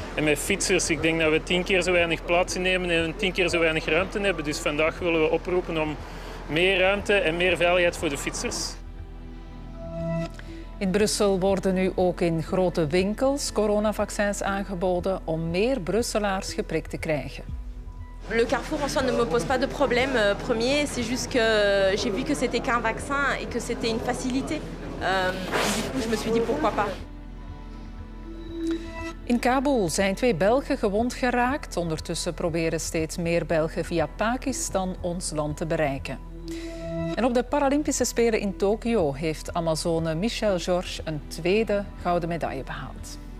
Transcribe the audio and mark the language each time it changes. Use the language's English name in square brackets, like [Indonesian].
[Dutch] En met fietsers, ik denk dat we 10 keer zo weinig plaats innemen en 10 keer zo weinig ruimte hebben. Dus vandaag willen we oproepen om meer ruimte en meer veiligheid voor de fietsers. In Brussel worden nu ook in grote winkels coronavaccins aangeboden om meer Brusselaars geprikt te krijgen. [French] Le Carrefour en soi ne me pose pas de problème premier, c'est juste que j'ai vu que c'était qu'un vaccin et que c'était une facilité. Du coup, je me suis dit pourquoi pas. [Dutch] In Kabul zijn 2 Belgen gewond geraakt. Ondertussen proberen steeds meer Belgen via Pakistan ons land te bereiken. En op de Paralympische Spelen in Tokio heeft Amazone Michelle Georges een 2e gouden medaille behaald.